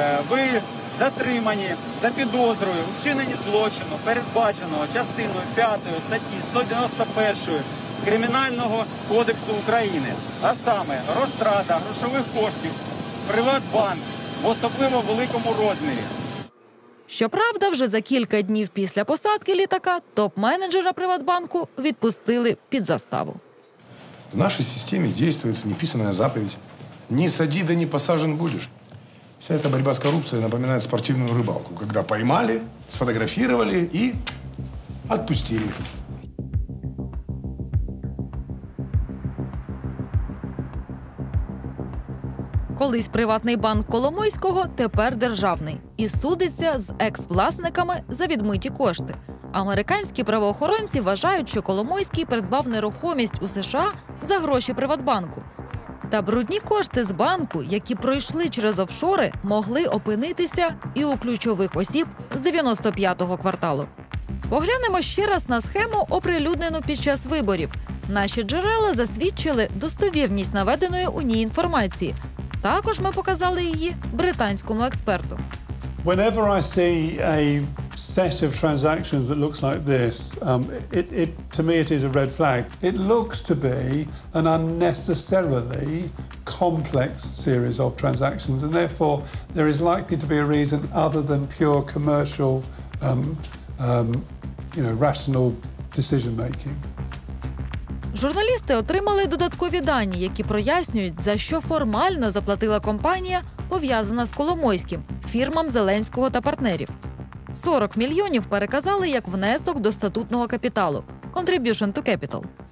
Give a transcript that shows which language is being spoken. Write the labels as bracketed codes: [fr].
[uk] Ви затримані за підозрою у вчиненні злочину, передбаченого частиною 5 статті 191 Кримінального кодексу України, а саме розтрата грошових коштів Приватбанк в особливо великому розмірі. Щоправда, вже за кілька днів після посадки літака топ-менеджера Приватбанку відпустили під заставу. [ru] В нашей системе действует неписанная заповедь: «Не сади, да не посажен будешь». Вся эта борьба с коррупцией напоминает спортивную рыбалку, когда поймали, сфотографировали и отпустили. [uk] Колись приватний банк Коломойського, тепер державний. І судиться з екс-власниками за відмиті кошти. Американські правоохоронці вважають, що Коломойський придбав нерухомість у США за гроші Приватбанку. Та брудні кошти з банку, які пройшли через офшори, могли опинитися і у ключових осіб з 95-го кварталу. Поглянемо ще раз на схему, оприлюднену під час виборів. Наші джерела засвідчили достовірність наведеної у ній інформації. Також ми показали її британському експерту. [en] Whenever I see a set of transactions that looks like this, it is a red flag. It looks to be an unnecessarily complex series of transactions, and therefore there is likely to be a reason other than pure commercial rational decision making. [uk] Журналісти отримали додаткові дані, які прояснюють, за що формально заплатила компанія, пов'язана з Коломойським, фірмам Зеленського та партнерів. 40 мільйонів переказали як внесок до статутного капіталу – [en] contribution to capital.